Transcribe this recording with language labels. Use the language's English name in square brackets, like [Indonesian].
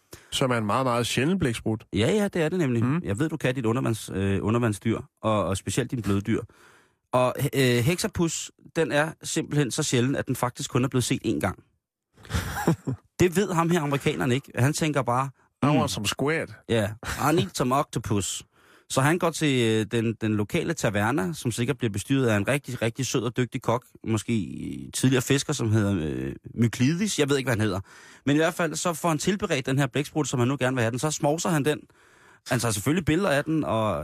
[Danish] Som er en meget, meget sjældent blæksprut. Ja, ja, det er det nemlig. Mm. Jeg ved, du kan dit undervandsdyr, og specielt din bløde dyr. Og heksapus, den er simpelthen så sjældent, at den faktisk kun er blevet set én gang. Det ved ham her amerikaneren ikke. Han tænker bare... Han var som squid. [English] Ja, yeah, I need some octopus. [Danish] Så han går til den lokale taverne, som sikkert bliver bestyret af en rigtig, rigtig sød og dygtig kok. Måske tidligere fisker, som hedder Myklidis. Jeg ved ikke, hvad han hedder. Men i hvert fald, så får han tilberedt den her blæksprut, som han nu gerne vil have den. Så smorser han den. Han tager selvfølgelig billeder af den. Og